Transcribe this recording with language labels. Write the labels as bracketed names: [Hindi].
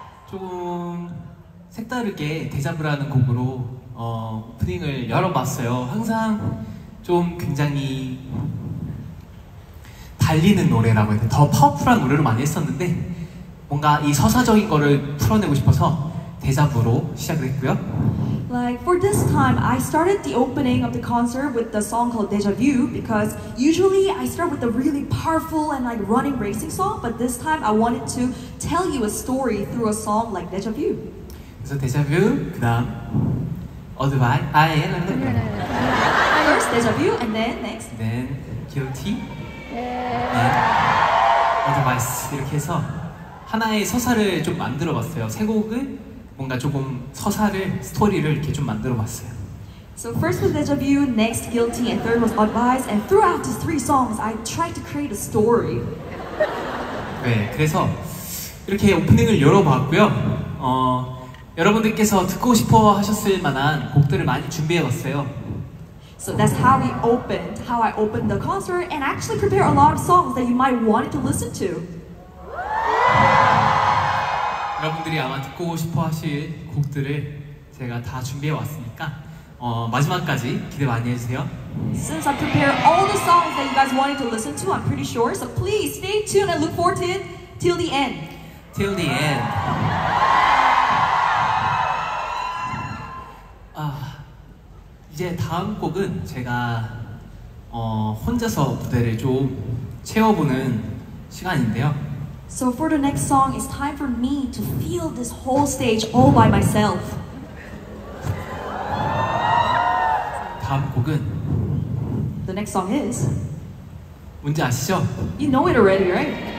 [Korean] 조금 색다르게 데자뷰라는 곡으로 오프닝을 열어봤어요. 항상 좀 굉장히 달리는 노래라고 해야 돼. 더 파워풀한 노래를 많이 했었는데 뭔가 이 서사적인 거를 풀어내고 싶어서 데자뷰로 시작을 했고요. [English] Like, for this time, I started the opening of the concert with the song called Deja Vu because usually I start with a really powerful and like running racing song, but this time I wanted to tell you a story through a song like Deja Vu. So Deja Vu, [Korean] 그 다음, [English] Advice, I am. First Deja Vu, and then next. Then Guilty, and Advice, [Korean] 이렇게 해서 하나의 서사를 좀 만들어 봤어요, 세 곡을. 뭔가 조금 서사를, 스토리를 이렇게 좀 만들어 봤어요. [English] So first was Deja Vu, next Guilty, and third was Advice, and throughout these three songs, I tried to create a story. [Korean] 네, 그래서 이렇게 오프닝을 열어봤고요. 여러분들께서 듣고 싶어 하셨을 만한 곡들을 많이 준비해봤어요. [English] So that's how we opened, how I opened the concert, and actually prepared a lot of songs that you might want to listen to. [Korean] 여러분들이 아마 듣고 싶어 하실 곡들을 제가 다 준비해 왔으니까 마지막까지 기대 많이 해주세요. [English] Since I prepared all the songs that you guys wanted to listen to, I'm pretty sure. So please stay tuned and look forward to it till the end. Till the end. [Korean] 이제 다음 곡은 제가 혼자서 무대를 좀 채워보는 시간인데요. [English] So for the next song, it's time for me to feel this whole stage all by myself. [Korean] 다음 곡은 [English] The next song is [Korean] 뭔지 아시죠? [English] You know it already, right?